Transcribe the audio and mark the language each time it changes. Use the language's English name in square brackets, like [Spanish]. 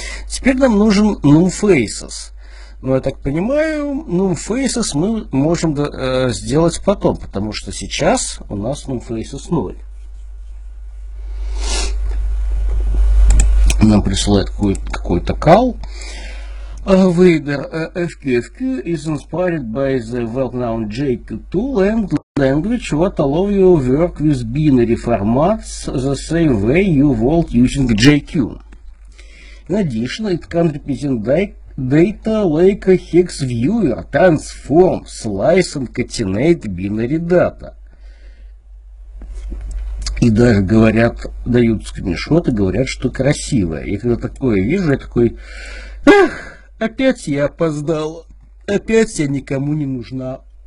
[Russian] Теперь нам нужен numFaces. Ну, я так понимаю, numFaces мы можем сделать потом, потому что сейчас у нас numFaces 0. Нам присылает какой-то call. [English] Waiter FQFQ is inspired by the well-known JQ tool and language what allow you to work with binary formats the same way you would using JQ. In addition, it can represent data like a hex viewer, transform, slice and concatenate binary data. [Russian] И даже говорят, дают скриншоты, говорят, что красивое. И когда такое вижу, я такой, ах! Опять я опоздал. Опять я никому не нужна.